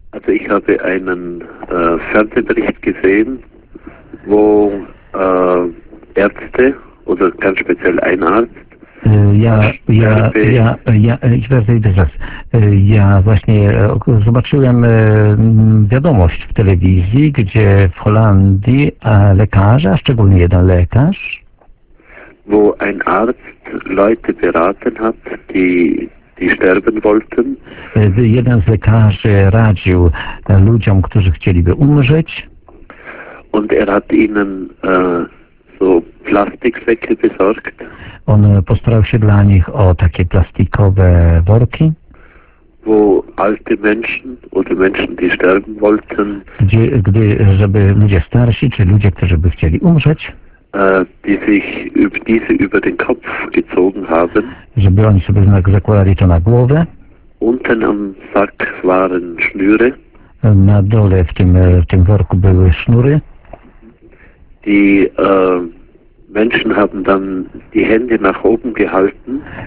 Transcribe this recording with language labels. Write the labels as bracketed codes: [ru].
[de] Also ich habe einen Fernsehbericht gesehen, wo Ärzte oder ganz speziell ein Arzt ich werde das. [pl] Ja właśnie zobaczyłem wiadomość w telewizji, gdzie w Holandii lekarze, a szczególnie jeden lekarz, [de] wo ein Arzt Leute beraten hat, die sterben wollten. [pl] Jeden z lekarzy radził ludziom, którzy chcieliby umrzeć. [de] Und hat ihnen so Plastiksäcke besorgt. [pl] On postarał się dla nich o takie plastikowe worki. [de] Wo alte Menschen oder Menschen, die sterben wollten. [pl] Żeby ludzie starsi, czy ludzie, którzy by chcieli umrzeć. [de] Die sich diese über den Kopf gezogen haben. [pl] Żeby oni sobie zakładali to na głowę. [de] Unten am Sack waren Schnüre. [pl] Na dole w tym worku były sznury. [de] Die Menschen haben dann die Hände nach oben gehalten.